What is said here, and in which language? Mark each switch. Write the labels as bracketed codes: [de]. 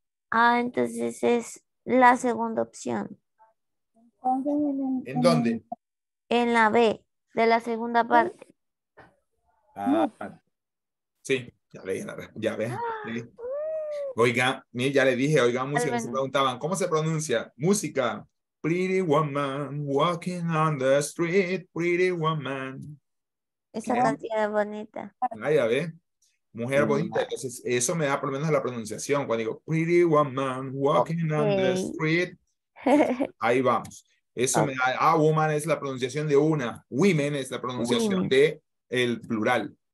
[es] Ah, entonces es la segunda opción. Entonces, ¿en dónde? En la B, de la segunda parte. Ah, sí. Ya leí la respuesta, ya ve. Oigan, ya le dije, oigan música, se preguntaban, ¿cómo se pronuncia? Música. [en] Pretty woman walking on the street, pretty woman. [es] Esa cantidad es bonita. Ah, ya ve. Mujer bonita, entonces eso me da por lo menos la pronunciación. Cuando digo, [en] pretty woman walking on the street, [es] ahí vamos. Eso me da, woman es la pronunciación de una, women es la pronunciación de el plural.